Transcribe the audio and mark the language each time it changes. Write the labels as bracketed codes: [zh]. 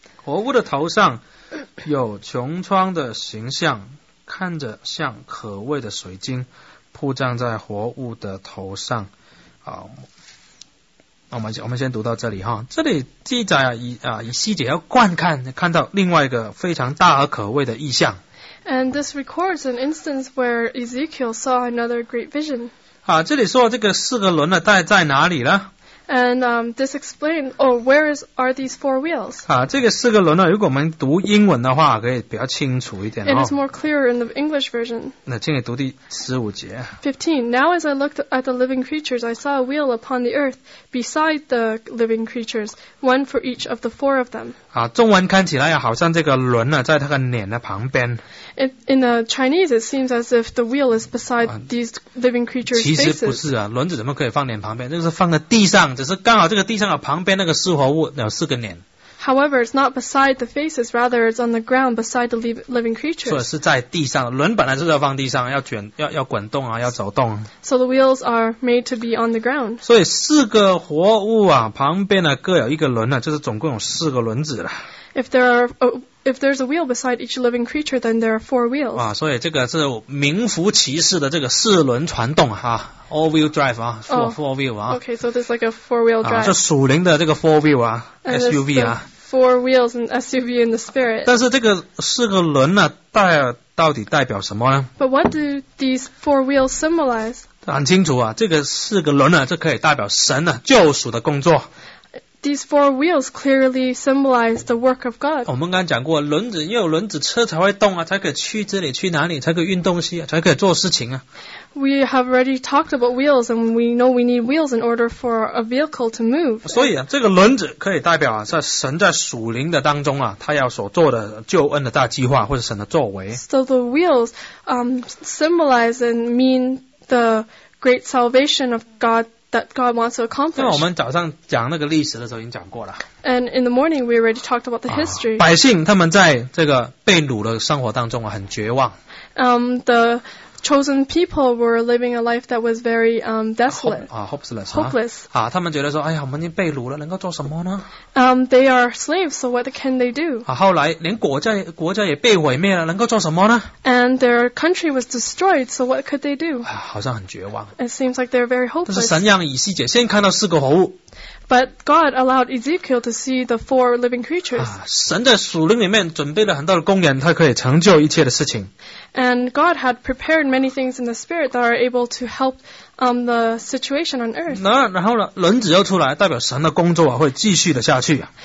[zh] 活物的头上有穹苍的形象，看着像可畏的水晶铺张在活物的头上。好，我们先读到这里哈。这里记载以细节要观看，看到另外一个非常大而可畏的异象。 [en] And this records an instance where Ezekiel saw another great vision. [zh] 啊，这里说这个四个轮的在哪里呢 [en] ？And this explains, or where is are these four wheels? [zh] 啊，这个四个轮呢，如果我们读英文的话，可以比较清楚一点。 [en] It is more clear in the English version. [zh] 那请你读第十五节。 [en] 15. Now as I looked at the living creatures, I saw a wheel upon the earth beside the living creatures, one for each of the four of them. [zh] 啊，中文看起来好像这个轮呢，在他的脸的旁边。 [en] In the Chinese, it seems as if the wheel is beside these living creatures' faces. [zh] 其实不是啊，轮子怎么可以放脸旁边？这个是放在地上，只是刚好这个地上的旁边那个四活物有四个脸。 [en] However, it's not beside the faces, rather it's on the ground beside the living creatures. [zh] 所以是在地上，轮本来就是要放地上，要卷，要滚动啊，要走动。 [en] So the wheels are made to be on the ground. [zh] 所以四个活物啊，旁边呢各有一个轮呢，就是总共有四个轮子了。 [en] If there's a wheel beside each living creature, then there are four wheels. [zh] 啊，所以这个是名副其实的这个四轮传动哈。 [en] All wheel drive 啊 four wheel 啊。 Okay, so this is like a four wheel drive. [zh] 啊，是属灵的这个 [en] four wheel [zh] 啊 ，SUV 啊。 [en] Four wheels and SUV in the spirit. [zh] 但是这个四个轮呢，到底代表什么呢 [en] ？But what do these four wheels symbolize? [zh] 很清楚啊，这个四个轮呢，就可以代表神的救赎的工作。 [en] These four wheels clearly symbolize the work of God. [zh] 我们刚刚讲过，轮子要有轮子车才会动啊，才可以去这里去哪里，才可以运东西啊，才可以做事情啊。 [en] We have already talked about wheels, and we know we need wheels in order for a vehicle to move. [zh] 所以啊，这个轮子可以代表啊，在神在属灵的当中啊，他要所做的救恩的大计划或者神的作为。 [en] So the wheels symbolize and mean the great salvation of God. That God wants to accomplish. [zh] 因为我们早上讲那个历史的时候已经讲过了。 [en] And in the morning, we already talked about the history. [zh] 百姓他们在这个被掳的生活当中很绝望。 [en] The chosen people were living a life that was very desolate. Hopeless. Hopeless. [zh] 啊，他们觉得说，哎呀，我们已经被掳了，能够做什么呢 [en] ？They are slaves, so what can they do? [zh] 啊，后来连国家也被毁灭了，能够做什么呢 [en] ？And their country was destroyed, so what could they do? [zh] 啊，好像很绝望。 [en] It seems like they're very hopeless. [zh] 但是神让以西结先看到四个活物。 [en] But God allowed Ezekiel to see the four living creatures. [zh] 啊，神在属灵里面准备了很多的工人，他可以成就一切的事情。 [en] And God had prepared many things in the spirit that are able to help the situation on earth. [zh] 然后呢，轮子又出来，代表神的工作啊会继续的下去。